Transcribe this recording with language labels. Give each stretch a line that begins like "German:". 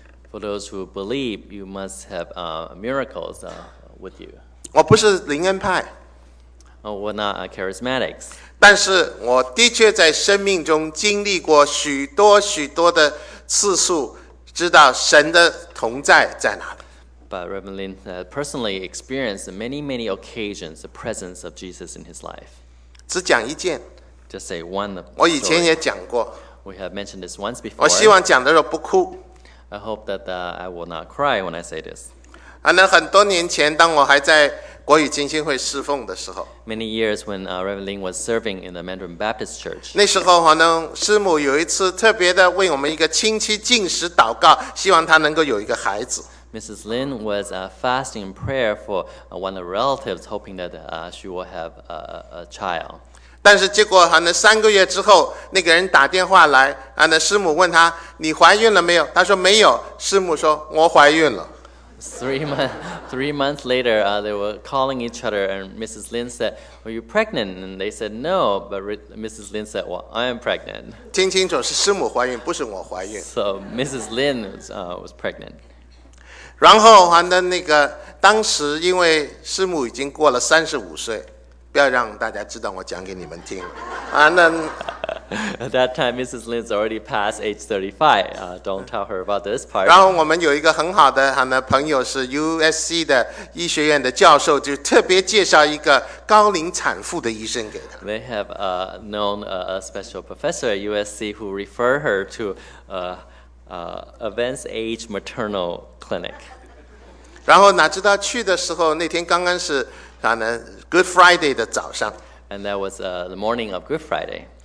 English: For those who believe, you must have miracles with you.
Chinese: 我不是灵恩派。
English: We're not charismatics.
Chinese: 但是我的确在生命中经历过许多许多的次数，知道神的同在在哪里。
English: But Reverend Lin personally experienced many, many occasions the presence of Jesus in his life.
Chinese: 只讲一件。
English: Just say one story.
Chinese: 我以前也讲过。
English: We have mentioned this once before.
Chinese: 我希望讲的时候不哭。
English: I hope that I will not cry when I say this.
Chinese: 那很多年前，当我还在国语金星会侍奉的时候。
English: Many years when Reverend Lin was serving in the Mandarin Baptist Church.
Chinese: 那时候师母有一次特别的为我们一个亲戚进食祷告，希望他能够有一个孩子。
English: Mrs. Lin was fasting in prayer for one of the relatives, hoping that she will have a child.
Chinese: 但是结果三个月之后，那个人打电话来，师母问他，你怀孕了没有？他说没有。师母说，我怀孕了。
English: Three months later, they were calling each other, and Mrs. Lin said, are you pregnant? And they said, no, but Mrs. Lin said, well, I am pregnant.
Chinese: 听清楚，是师母怀孕，不是我怀孕。
English: So Mrs. Lin was pregnant.
Chinese: 然后当时因为师母已经过了35岁，不要让大家知道我讲给你们听。
English: At that time, Mrs. Lin's already past age 35. Don't tell her about this part.
Chinese: 然后我们有一个很好的朋友是 USC 的医学院的教授，就特别介绍一个高龄产妇的医生给她。
English: They have known a special professor at USC who refer her to advanced age maternal clinic.
Chinese: 然后哪知道去的时候，那天刚刚是Good Friday 的早上。
English: And that was the morning of Good Friday.